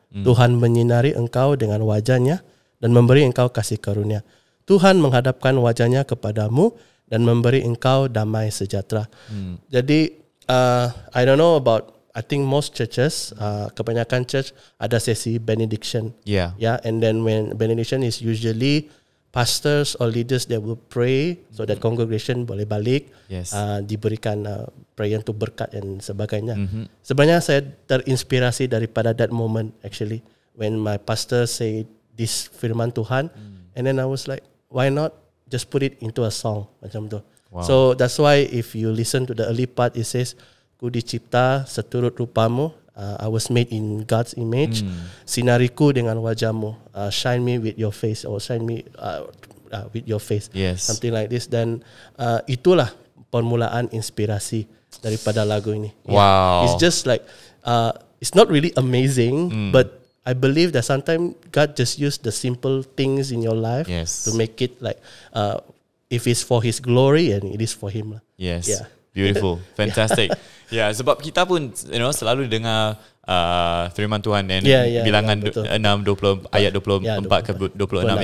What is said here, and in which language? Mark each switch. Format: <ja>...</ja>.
<ms>Tuhan menyinari engkau dengan wajahnya dan memberi engkau kasih karunia. Tuhan menghadapkan wajahnya kepadamu dan memberi engkau damai sejahtera.</ms> <en>Jadi, I don't know about, I think most churches,</en> <ms>kebanyakan</ms> <en>church</en> <ms>ada sesi</ms> <en>benediction. Yeah. Yeah. And then when benediction is usually pastors or leaders that will pray so that congregation</en> <ms>boleh balik, diberikan</ms> <en>prayer</en> <ms>untuk berkat dan sebagainya. Sebenarnya saya terinspirasi daripada</ms> <en>that moment actually when my pastor say this firman Tuhan, and then I was like, why not just put it into a song?</en> <ms>Macam tu.</ms> <en>Wow. So that's why if you listen to the early part, it says,</en> <ms>ku dicipta seturut rupamu.</ms> <en>I was made in God's image.</en> <ms>Sinariku dengan wajahmu.</ms> <en>Shine me with your face. Or shine me with your face. Yes. Something like this.</en> <ms>Dan itulah permulaan inspirasi daripada lagu ini.</ms> <en>Wow. Yeah. It's just like, it's not really amazing, but I believe that sometimes God just use the simple things in your life to make it like, if it's for His glory and it is for Him. Yes, yeah. Beautiful, fantastic. Yeah,</en> <ms>sebab kita pun,</ms> <en>you know,</en> <ms>selalu dengar firman Tuhan dan bilangan 6:24 ayat 24 ke 26.</ms>